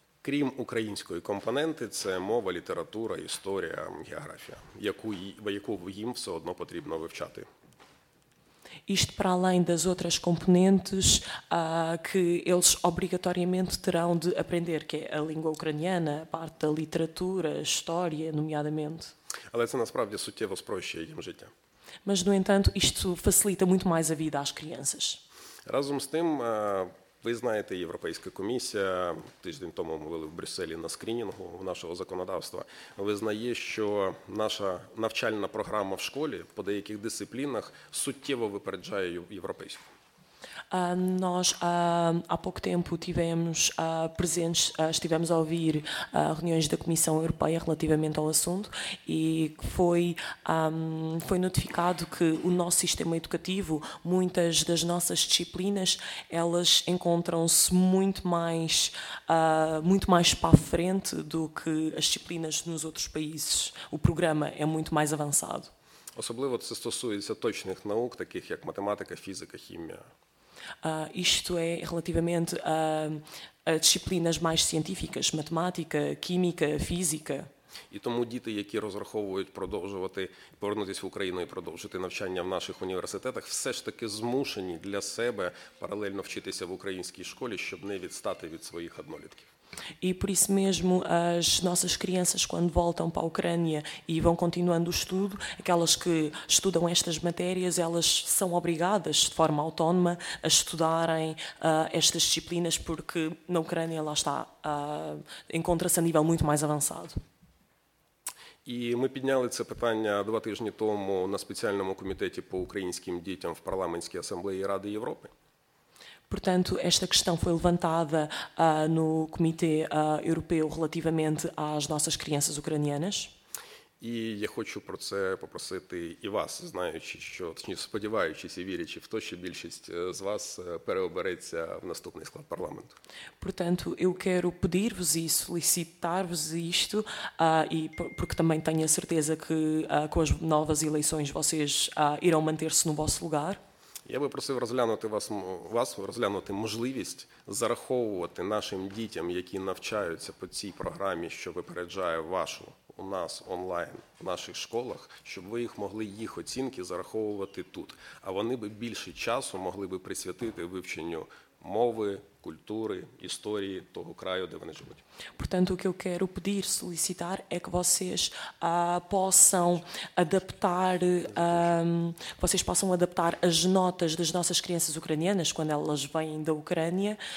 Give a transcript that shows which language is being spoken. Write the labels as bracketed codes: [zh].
[uk] Крім української компоненти, це мова, література, історія, географія, яку їм все одно потрібно вивчати. [pt] Isto para além das outras componentes que eles obrigatoriamente terão de aprender, que é a língua ucraniana, a parte da literatura, a história, nomeadamente. [uk] Але це насправді суттєво спрощує їм життя. [pt] Mas, no entanto, isto facilita muito mais a vida às crianças. [uk] Разом з тим, ви знаєте, Європейська комісія, тиждень тому ми були в Брюсселі на скринінгу нашого законодавства, визнає, що наша навчальна програма в школі по деяких дисциплінах суттєво випереджає європейську. [pt] Nós há pouco tempo tivemos presentes, estivemos a ouvir reuniões da Comissão Europeia relativamente ao assunto e foi notificado que o nosso sistema educativo, muitas das nossas disciplinas, elas encontram-se muito mais para a frente do que as disciplinas nos outros países. O programa é muito mais avançado. [uk] Особливо це стосується точних наук, таких як математика, фізика, хімія. [pt] Isto é relativamente a disciplinas mais científicas, matemática, química, física. [uk] І тому діти, які розраховують повернутися в Україну і продовжити навчання в наших університетах, все ж таки змушені для себе паралельно вчитися в українській школі, щоб не відстати від своїх однолітків. [pt] E por isso mesmo as nossas crianças quando voltam para a Ucrânia e vão continuando o estudo, aquelas que estudam estas matérias, elas são obrigadas de forma autónoma a estudarem estas disciplinas porque na Ucrânia lá está, encontra-se a nível muito mais avançado. [uk] І ми підняли це питання 2 тижні тому на спеціальному комітеті по українським дітям в парламентській асамблеї Ради Європи. [pt] Portanto, esta questão foi levantada no Comitê Europeu relativamente às nossas crianças ucranianas. [uk] І я хочу про це попросити і вас, знаючи, що, точніше, сподіваючись і вірячи в те, що більшість з вас переобереться в наступний склад парламенту. [pt] Portanto, eu quero pedir-vos e solicitar-vos isto, porque também tenho a certeza que com as novas eleições vocês irão manter-se no vosso lugar. [uk] Я би просив розглянути вас розглянути можливість зараховувати нашим дітям, які навчаються по цій програмі, що випереджає вашу у нас онлайн в наших школах, щоб ви їх могли їх оцінки зараховувати тут. А вони би більше часу могли би присвятити вивченню мови, культури, історії того краю, де вони живуть. [pt] Portanto, o que eu quero pedir, solicitar, é que vocês possam adaptar, vocês possam adaptar as notas das nossas crianças ucranianas, quando elas vêm da Ucrânia,